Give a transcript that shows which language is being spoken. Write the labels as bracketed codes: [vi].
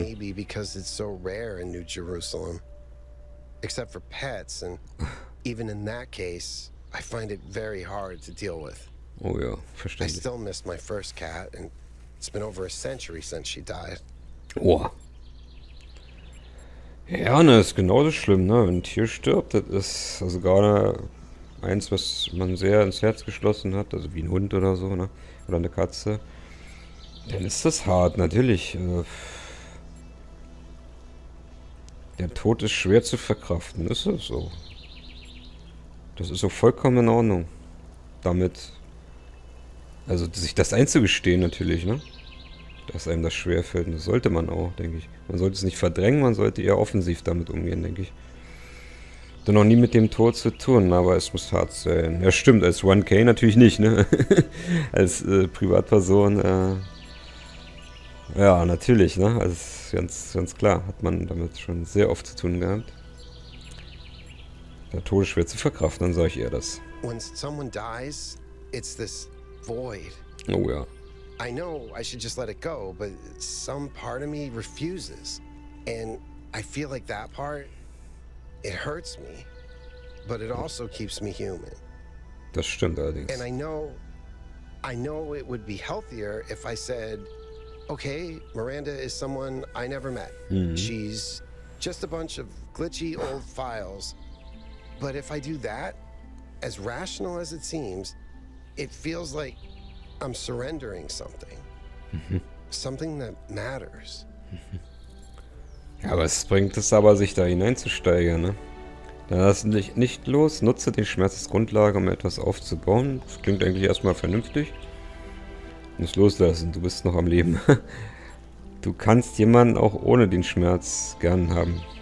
[en] Maybe because it's so rare in New Jerusalem, except for pets, and even in that case, I find it very hard to deal with. Oh yeah, [de] verständlich. [en] I still miss my first cat, and it's been over a century since she died. Oh. [de] Ja, ne, ist genauso schlimm, ne? Wenn ein Tier stirbt, das ist also gerade eins, was man sehr ins Herz geschlossen hat, also wie ein Hund oder so, ne? Oder eine Katze. Dann ist das hart, natürlich. Der Tod ist schwer zu verkraften, ist das so? Das ist so vollkommen in Ordnung. Damit. Also sich das einzugestehen natürlich, ne? Dass einem das schwerfällt. Das sollte man auch, denke ich. Man sollte es nicht verdrängen, man sollte eher offensiv damit umgehen, denke ich. Hatte noch nie mit dem Tod zu tun, aber es muss hart sein. Ja, stimmt, als 1K natürlich nicht, ne? Als Privatperson Ja, natürlich, ne? Also ganz, ganz klar, hat man damit schon sehr oft zu tun gehabt. Der Tod ist schwer zu verkraften, dann sage ich eher das. [en] When someone dies, it's this void. [de] Oh ja. [en] I know I should just let it go, but some part of me refuses. And I feel like that part, it hurts me, but it also keeps me human. [de] Das stimmt allerdings. [en] And I know it would be healthier if I said, okay, Miranda is someone I never met. She's just a bunch of glitchy old files. But if I do that, as rational as it seems, it feels like I'm surrendering something. Something that matters. [de] Ja, was bringt es aber, sich da hineinzusteigern, ne? Dann lass dich nicht los, nutze den Schmerz als Grundlage, um etwas aufzubauen. Das klingt eigentlich erstmal vernünftig. Nicht loslassen, du bist noch am Leben. Du kannst jemanden auch ohne den Schmerz gern haben.